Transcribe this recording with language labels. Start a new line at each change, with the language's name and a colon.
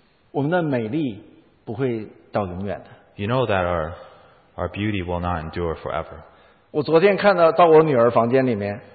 Chinese: 你知道我们的美丽不会到永远的。
English: You know that our beauty will not endure forever.
Chinese: 我昨天看到我女儿房间里面,